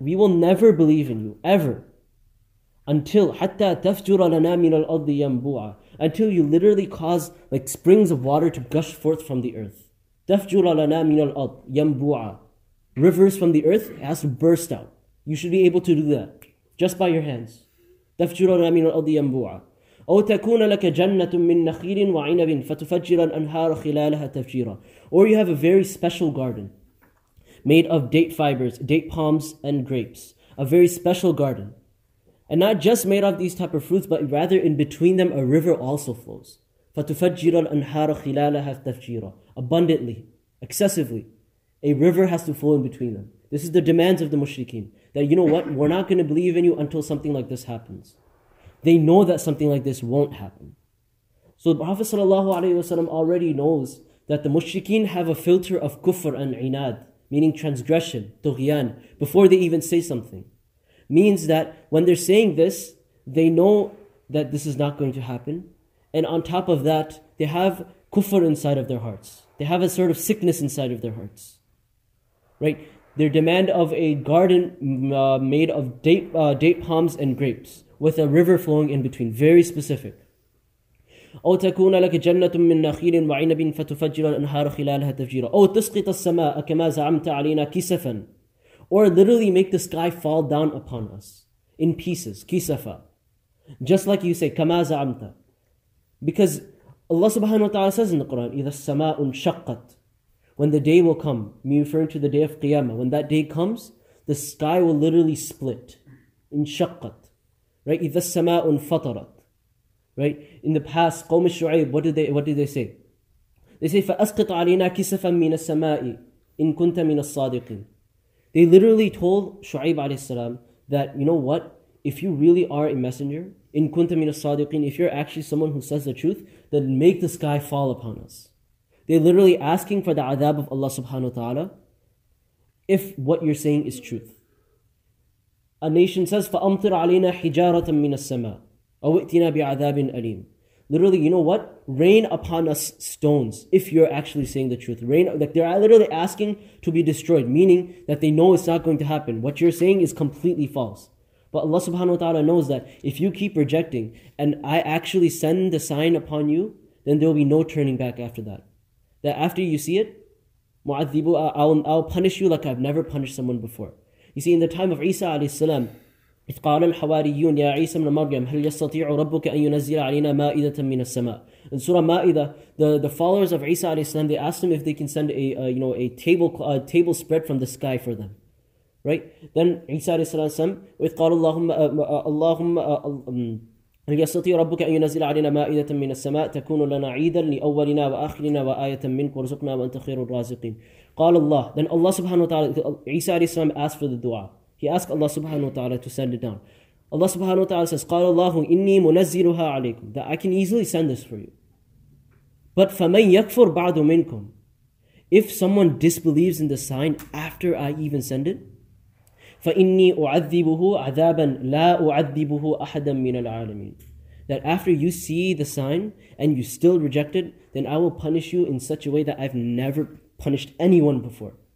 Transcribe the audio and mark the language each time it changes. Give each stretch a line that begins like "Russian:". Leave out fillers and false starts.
English: We will never believe in you, ever. Until,
Arabic: حَتَّى تَفْجُرَ لَنَا مِنَ الْأَرْضِ يَنْبُوعًا.
English: Until you literally cause like springs of water to gush forth from the earth.
Arabic: تَفْجُرَ لَنَا مِنَ الْأَرْضِ يَنْبُوعًا.
English: Rivers from the earth, it has to burst out. You should be able to do that, just by your hands.
Arabic: تَفْجُرَ لَنَا مِنَ الْأَرْضِ يَنْبُوعًا. أو تكون لك جنة من نخيل وعنب فتفجر الأنهار خلالها تفجيرا.
English: Or you have a very special garden made of date fibers, date palms and grapes. A very special garden. And not just made of these type of fruits, but rather in between them a river also flows.
Arabic: فتفجر الأنهار خلالها تفجيرا.
English: Abundantly, excessively. A river has to flow in between them. This is the demands of the mushrikeen. That, you know what, we're not going to believe in you until something like this happens. They know that something like this won't happen. So the Prophet ﷺ already knows that the mushrikeen have a filter of kufr and inad, meaning transgression, tughyan, before they even say something. Means that when they're saying this, they know that this is not going to happen. And on top of that, they have kufr inside of their hearts. They have a sort of sickness inside of their hearts. Right? Their demand of a garden made of date palms and grapes with a river flowing in between. Very specific.
Arabic: أو تكون لك جنة من نخيل وعنب فتفجر الأنهار خلالها تفجيرا أو تسقط السماء كما زعمت علينا كسفا.
English: Or literally make the sky fall down upon us in pieces. كسفا. Just like you say,
Arabic: كما زعمت.
English: Because Allah subhanahu wa ta'ala says in the Quran,
Arabic: إذا السماء انشقت.
English: When the day will come, me referring to the day of Qiyamah, when that day comes, the sky will literally split.
Arabic: انشقت. Right? إذا السماء انفطرت. Right?
English: In the past, Qawm al-Shu'ayb, what did they say? They say,
Arabic: فَأَسْقِطْ عَلَيْنَا كِسَفًا مِنَ السَّمَاءِ إِن كُنْتَ مِنَ الصَّادِقِينَ.
English: They literally told Shu'ayb alayhi salam that, you know what? If you really are a messenger,
Arabic: إِن كُنْتَ مِنَ الصَّادِقِينَ,
English: if you're actually someone who says the truth, then make the sky fall upon us. They're literally asking for the adab of Allah subhanahu wa ta'ala if what you're saying is truth. A nation says,
Arabic: فَأَمْطِرْ عَلَيْنَا حِجَارَةً مِنَ السَّمَاءِ. أَوِئْتِنَا بِعَذَابٍ أَلِيمٍ.
English: Literally, you know what? Rain upon us stones, if you're actually saying the truth. Rain, like they're literally asking to be destroyed, meaning that they know it's not going to happen. What you're saying is completely false. But Allah subhanahu wa ta'ala knows that if you keep rejecting, and I actually send the sign upon you, then there will be no turning back after that. That after you see it, مُعَذِّبُ I'll punish you like I've never punished someone before. You see, in the time of Isa alayhi salam,
Arabic: إذ قال الحواريون يا عيسى بن مريم هل يستطيع ربك أن ينزل علينا مائدة من السماء.
English: In Surah Ma'idah, the followers of Isa alayhi salam, they asked him if they can send a table spread from the sky for them, right? Then Isa alayhi salam,
Arabic: إذ قال اللهم هل يستطيع ربك أن ينزل علينا مائدة من السماء تكون لنا عيدا لأولنا وآخرنا وآية منك ورزقنا وأنت خير الرازقين. قال الله.
English: Then Allah subhanahu wa ta'ala, Isa alayhi salam asked for the dua. He asked Allah subhanahu wa ta'ala to send it down. Allah subhanahu wa ta'ala says,
Arabic: قَالَ اللَّهُ إِنِّي مُنَزِّلُهَا عَلَيْكُمْ,
English: that I can easily send this for you. But
Arabic: فَمَنْ يَكْفُرْ بَعْدُ مِنْكُمْ,
English: if someone disbelieves in the sign after I even send it,
Arabic: فَإِنِّي أُعَذِّبُهُ عَذَابًا لَا أُعَذِّبُهُ أَحَدًا مِنَ الْعَالَمِينَ,
English: that after you see the sign and you still reject it, then I will punish you in such a way that I've never punished anyone before.